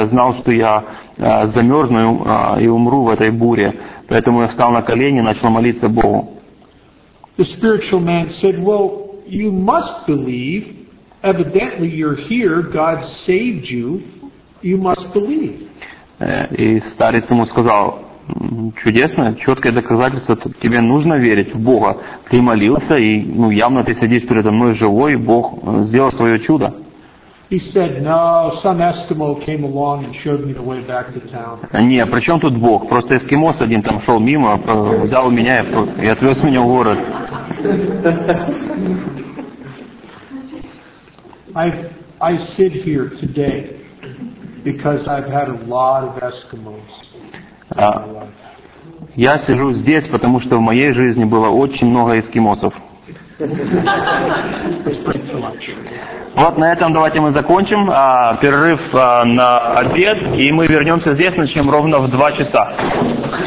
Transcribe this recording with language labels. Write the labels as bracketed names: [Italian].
[Russian] Я знал, что я замерзну и умру в этой буре. Поэтому я встал на колени и начал молиться Богу. [English] The spiritual man said, well, you must believe. Evidently, you're here. God saved you. You must believe. [Russian] И старец ему сказал, чудесно, четкое доказательство, тебе нужно верить в Бога. Ты молился, и ну, явно ты сидишь передо мной живой, и Бог сделал свое чудо. [English] He said, no, some Eskimo came along and showed me the way back to town. [Russian] Не, при чем тут Бог? Просто эскимос один там шел мимо, взял меня и отвез меня в город. [English] I sit here today because I've had a lot of Eskimos. [Russian] Я сижу здесь, потому что в моей жизни было очень много эскимосов. Вот на этом давайте мы закончим перерыв на обед, и мы вернемся здесь, начнем ровно в 2 часа.